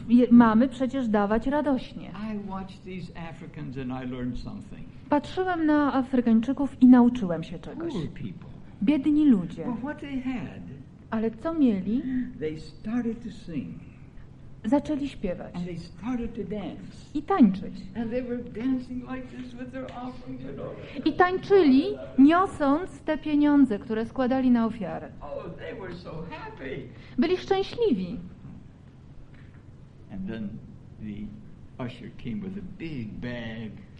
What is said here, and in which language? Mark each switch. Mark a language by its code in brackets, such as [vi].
[pl] Mamy przecież dawać radośnie. [en] I watched these Africans and I learned something. [pl] Patrzyłem na Afrykańczyków i nauczyłem się czegoś. [en] Poor people. [pl] Biedni ludzie. [en] But what they had, [pl] ale co mieli? [en] They started to sing. [pl] Zaczęli śpiewać. [en] And they started to dance. [pl] I tańczyć. [en] And they were dancing like this with their offering, you know. [pl] I tańczyli, niosąc te pieniądze, które składali na ofiarę. [en] Oh, they were so happy. [pl] Byli szczęśliwi. [en] And then the usher came with a big bag.